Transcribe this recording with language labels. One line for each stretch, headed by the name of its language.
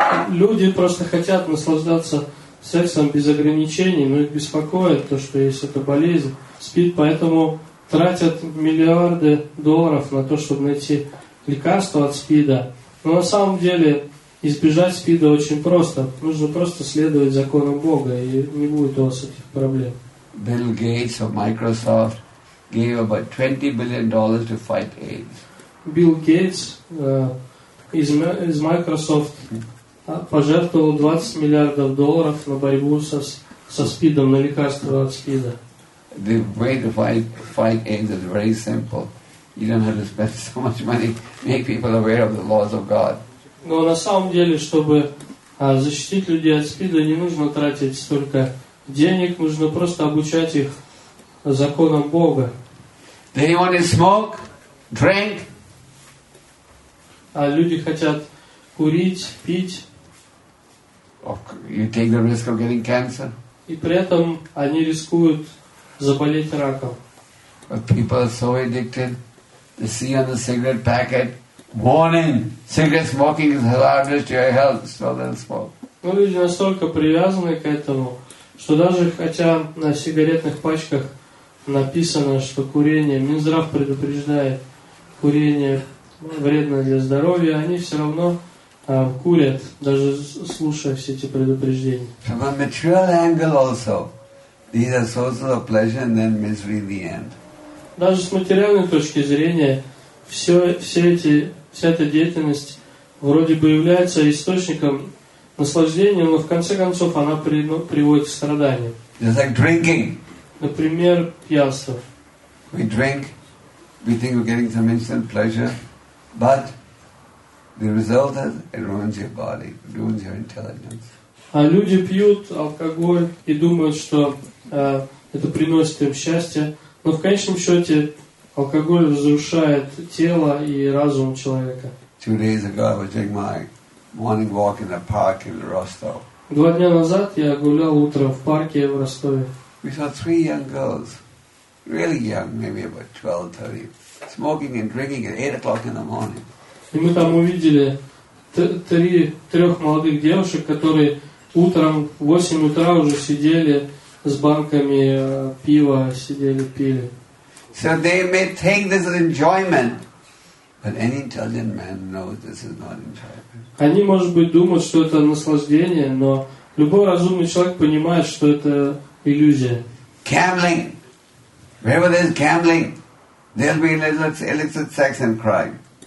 Russian: Люди просто хотят наслаждаться сексом без ограничений, но их беспокоит то, что есть эта болезнь, СПИД, поэтому тратят миллиарды долларов на то, чтобы найти лекарство от СПИДа. Но на самом деле избежать СПИДа очень просто. Нужно просто следовать законам Бога, и не будет у вас этих проблем.
English: Билл Гейтс of Microsoft gave about $20 billion to fight AIDS.
Russian: Билл Гейтс из Microsoft пожертвовал 20 миллиардов долларов на борьбу со СПИДом, на лекарство от СПИДа.
English: The way to fight AIDS is very simple. You don't have to spend so much money. Make people aware of the laws of God.
Russian: Но на самом деле, чтобы защитить людей от СПИДа, не нужно тратить столько денег, нужно просто обучать их законам Бога.
English: They want to smoke, drink.
Russian: А люди хотят курить, пить.
English: You take the risk of getting cancer.
Russian: И при этом они рискуют заболеть раком.
English: But people are so addicted. They see on the cigarette packet, warning, cigarette smoking is hazardous to your health. So they'll smoke.
Russian: Но люди настолько привязаны к этому, что даже хотя на сигаретных пачках написано, что курение, Минздрав предупреждает, курение вредно для здоровья, они все равно курят, даже слушая все эти предупреждения.
English: From a material angle also, these are sources of pleasure and then misery in the end.
Russian: Даже с материальной точки зрения вся эта деятельность вроде бы является источником наслаждения, но в конце концов она приводит к страданиям.
English: It's like drinking.
Russian: Например, пьянство.
English: We drink, we think we're getting some instant pleasure, but The result is it ruins your body, ruins your intelligence.
Russian: А люди пьют алкоголь и думают, что это приносит им счастье, но в конечном счете алкоголь разрушает тело и разум человека.
English: 2 days ago I was doing my morning walk in a park in Rostov.
Russian: 2 дня назад я гулял утром в парке в Ростове.
English: We saw 3 young girls, really young, maybe about 12-13, smoking and drinking at 8 o'clock in the morning.
Russian: И мы там увидели трех молодых девушек, которые утром в 8 утра уже сидели с банками пива, сидели, пили.
English: So they may think this is enjoyment, but any intelligent man knows this is not enjoyment.
Russian: Они, может быть, думают, что это наслаждение, но любой разумный человек понимает, что это иллюзия.
English: Gambling. Wherever there's gambling, there'll be illicit sex and crime.